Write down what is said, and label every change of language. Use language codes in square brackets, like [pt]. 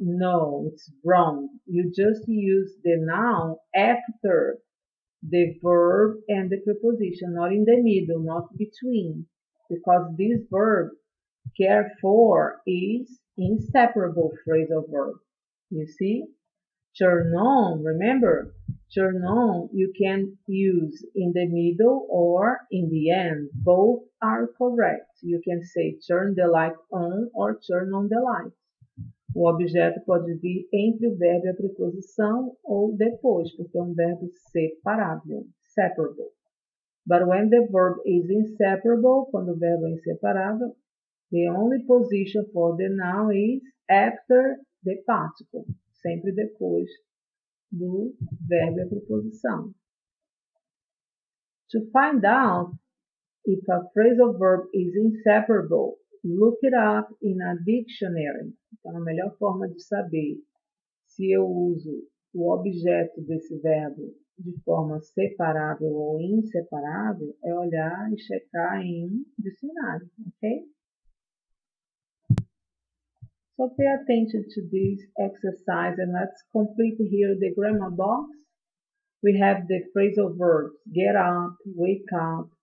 [en] No, it's wrong. You just use the noun after the verb and the preposition, not in the middle, not between, because this verb, care for, is inseparable phrasal verb. You see? Turn on, remember, turn on you can use in the middle or in the end. Both are correct. You can say turn the light on or turn on the light. [pt] O objeto pode vir entre o verbo e a preposição ou depois, porque é verbo separável, separable. [en] But when the verb is inseparable, [pt] quando o verbo é inseparável, [en] the only position for the noun is after the particle, [pt] sempre depois do verbo e a preposição. [en] To find out if a phrasal verb is inseparable, look it up in a dictionary. [pt] Então, a melhor forma de saber se eu uso o objeto desse verbo de forma separável ou inseparável é olhar e checar em um dicionário, ok? [en] So, pay attention to this exercise and let's complete here the grammar box. We have the phrasal verbs get up, wake up,